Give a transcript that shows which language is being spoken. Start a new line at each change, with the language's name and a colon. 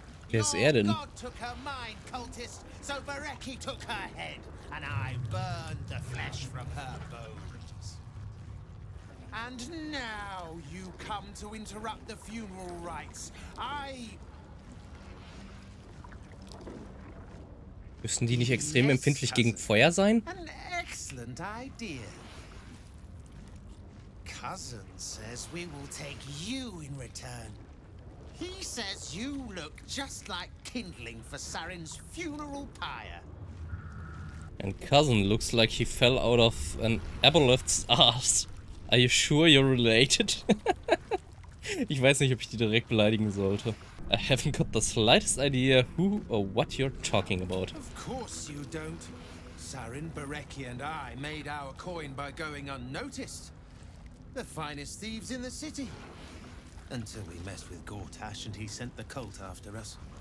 German: Wer ist er denn?
English: God took her mind, cultist, so Bereki took her head, and I burned the flesh from her bones. And now you come to interrupt the funeral rites. I...
German: Müssen die nicht extrem empfindlich gegen Feuer sein?
English: An excellent idea. Cousin says we will take you in return. He says you look just like kindling for Sarin's funeral pyre. And cousin looks like he fell out of an aboleth's ass. Are you sure you're related?
German: Ich weiß nicht, ob ich die direkt beleidigen sollte.
English: I haven't got the slightest idea who or what you're talking about. Of course you don't. Sarin, Bereki and I made our coin by going unnoticed. The finest thieves in the city. Until we messed with Gortash and he sent the cult after us.